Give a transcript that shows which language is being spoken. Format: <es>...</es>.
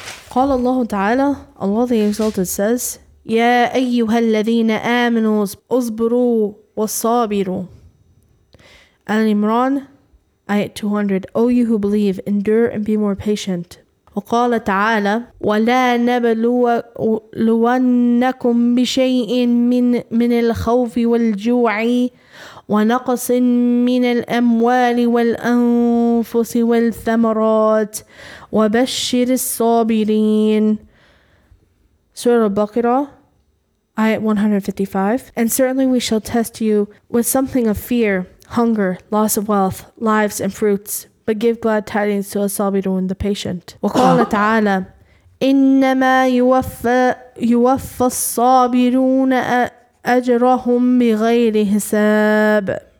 <ar>قال الله تعالى الله</ar> <en>the exalted says</en> <ar>يا أيها الذين آمنوا اصبروا وصابر. Al-Imran, Ayat 200.</ar> <en>O you who believe, endure and be more patient.</en> <ar>وقال تعالى ولا نبلونكم بشيء من الخوف والجوع ونقص من الأموال والأنفس والثمرات وبشر الصابرين.</ar> <en>Surah Al-Baqarah, Ayat 155. And certainly we shall test you with something of fear, hunger, loss of wealth, lives and fruits. But give glad tidings to as-sabirun, the patient.</en> <ar>وَقَالَ تَعَالَى إِنَّمَا يُوَفَّى الصَّابِرُونَ أَجْرَهُمْ بِغَيْرِ حِسَابٍ.</ar>